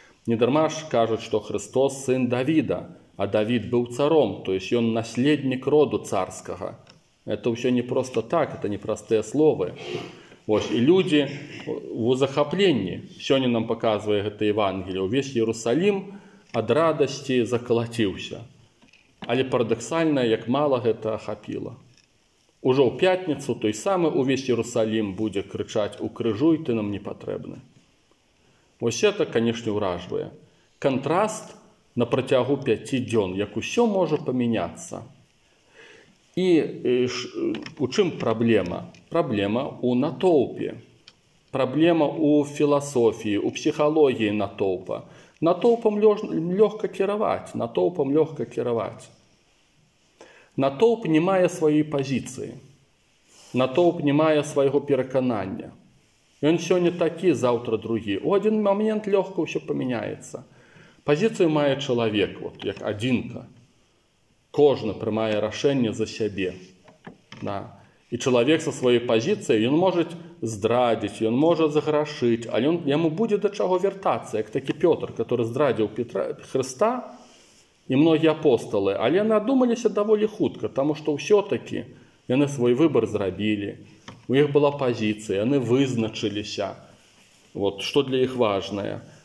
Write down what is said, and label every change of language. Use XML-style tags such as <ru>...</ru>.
<ru>Недарма ж кажут, что Христос сын Давида, а Давид был царом, то есть он наследник роду царского. Это все не просто так, это непростые слова. Вот, и люди в захоплении, сегодня нам показывает это Евангелие, весь Иерусалим от радости заколотился.</ru> <be>Але парадоксально, як мало гэта ахапіла.</be> <ru>Уже у пятницу той самый увесь Иерусалим будет кричать «Укрыжуй, ты нам не потребны». Вот это, конечно, уражвае. Контраст на протягу 5 дён, як усё может поменяться.</ru> <be>И у чым проблема? Проблема у натоўпе. Проблема у философии, у психологии натоўпа. Натоўпам лёгка кіраваць. Натоўпам лёгка кіраваць. Натоўп не мае сваёй пазіцыі. Натоўп не мае свайго пераканання. Ён сёння такі, заўтра другі. У адзін момент лёгка ўсё памяняецца. Пазіцыю мае чалавек, вот, як адзінка. Кожны прымае рашэнне за сябе. Да. І чалавек са сваёй пазіцыі, ён можа здрадзіць, ён можа заграшыць, але ён, яму будзе да чаго вяртацца, як такі Пётр, каторы здрадзіў Петра, Христа,</be> <ru>и многие апостолы, але они одумались довольно хутко, потому что все-таки они свой выбор сделали, у них была позиция, они вызначились, вот, что для них важное.</ru>